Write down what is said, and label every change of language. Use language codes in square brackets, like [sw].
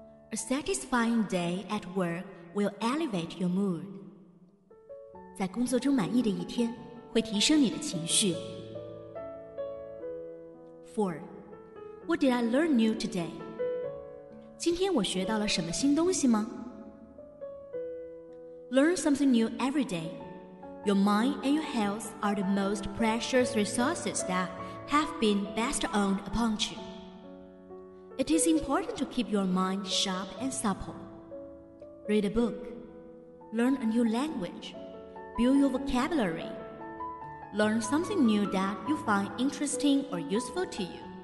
[en] A satisfying day at work will elevate your mood. [zh] 在工作中满意的一天会提升你的情绪。 [en] 4. What did I learn new today? [zh] 今天我学到了什么新东西吗? [en] Learn something new every day. Your mind and your health are the most precious resources that have been bestowed upon you. It is important to keep your mind sharp and supple. Read a book. Learn a new language. Build your vocabulary. Learn something new that you find interesting or useful to you.